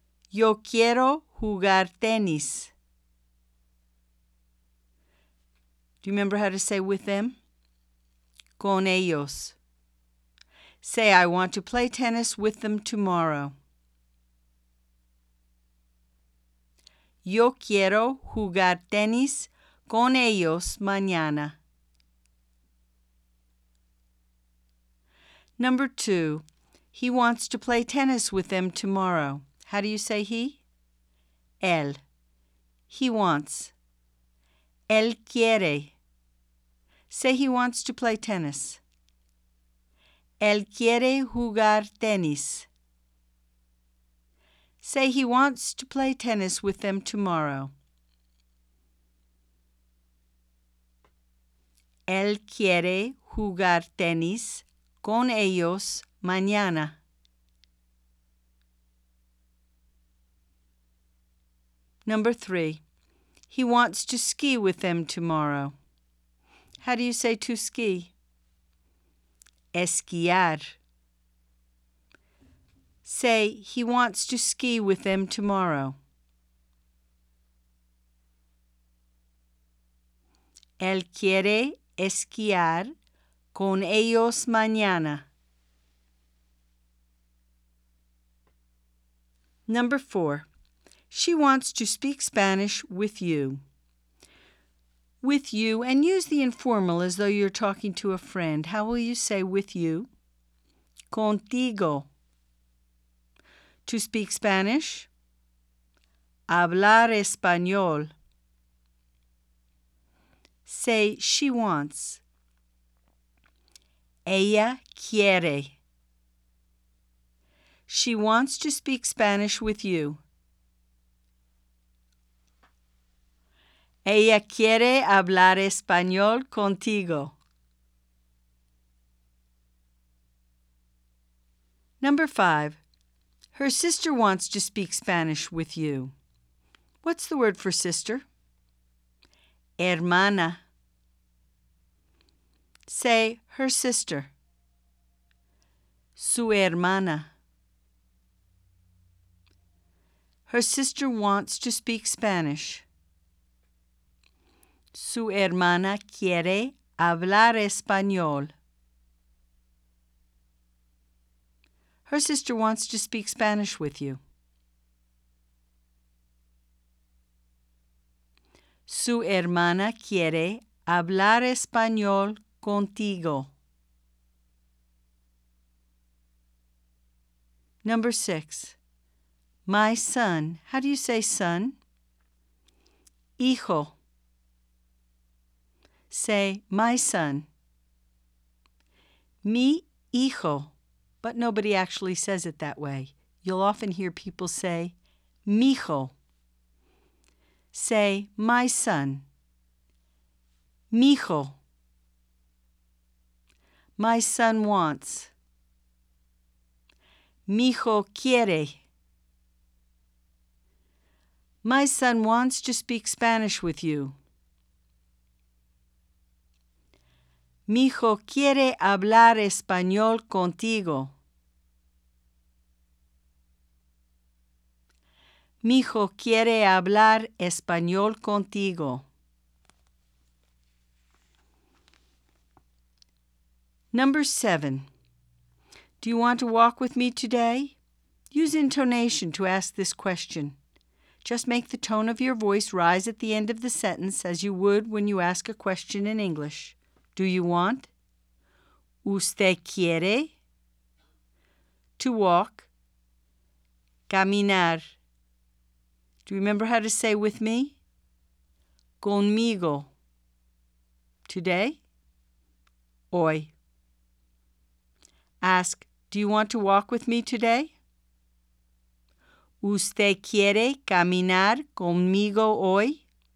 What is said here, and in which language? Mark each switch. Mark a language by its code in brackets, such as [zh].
[es] Yo quiero jugar tenis. [en] Do you remember how to say with them? [es] Con ellos. [en] Say, I want to play tennis with them tomorrow. [es] Yo quiero jugar tenis con ellos mañana. [en] Number 2. He wants to play tennis with them tomorrow. How do you say he? Él. He wants. [es] Él quiere. [en] Say he wants to play tennis. [es] Él quiere jugar tenis. [en] Say he wants to play tennis with them tomorrow. [es] Él quiere jugar tenis con ellos mañana. [en] Number 3. He wants to ski with them tomorrow. How do you say to ski? Esquiar. Say, he wants to ski with them tomorrow. [es] Él quiere esquiar con ellos mañana. [en] Number 4. She wants to speak Spanish with you. With you, and use the informal as though you're talking to a friend. How will you say with you? Contigo. To speak Spanish? [es] Hablar español. [en] Say she wants. [es] Ella quiere. [en] She wants to speak Spanish with you. [es] Ella quiere hablar español contigo. [en] Number 5. Her sister wants to speak Spanish with you. What's the word for sister? [es] Hermana. [en] Say, her sister. [es] Su hermana. [en] Her sister wants to speak Spanish. [es] Su hermana quiere hablar español. [en] Her sister wants to speak Spanish with you. [es] Su hermana quiere hablar español contigo. [en] Number 6. My son. How do you say son? [es] Hijo. [en] Say, my son. [es] Mi hijo. [en] But nobody actually says it that way. You'll often hear people say, mijo. Say, my son. [es] Mijo. [en] My son wants. [es] Mijo quiere. [en] My son wants to speak Spanish with you. [es] Mijo quiere hablar español contigo. Mijo quiere hablar español contigo. [en] Number 7. Do you want to walk with me today? Use intonation to ask this question. Just make the tone of your voice rise at the end of the sentence as you would when you ask a question in English. Do you want? [es] ¿Usted quiere? [en] To walk. [es] Caminar. [en] Do you remember how to say with me? [es] Conmigo. [en] Today? [es] Hoy. [en] Ask, do you want to walk with me today? [es] ¿Usted quiere caminar conmigo hoy?